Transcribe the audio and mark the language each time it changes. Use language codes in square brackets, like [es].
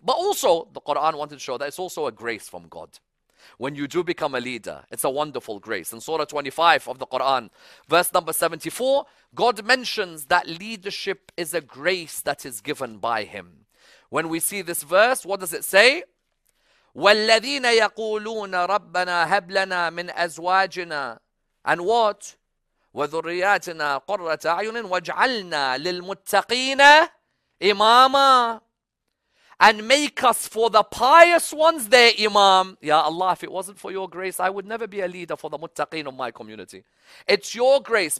[en] But also, the Quran wanted to show that it's also a grace from God. When you do become a leader, it's a wonderful grace. In Surah 25 of the Quran, verse number 74, God mentions that leadership is a grace that is given by him. When we see this verse, what does it say? [ar] وَالَّذِينَ يَقُولُونَ رَبَّنَا هَبْ لَنَا مِنْ أَزْوَاجِنَا [en] And what? [ar] وَذُرِّيَاتِنَا قُرَّةَ أَعْيُنٍ وَاجْعَلْنَا لِلْمُتَّقِينَ إِمَامًا [en] And make us for the pious ones their imam. Ya Allah, if it wasn't for your grace, I would never be a leader for the muttaqeen of my community. It's your grace.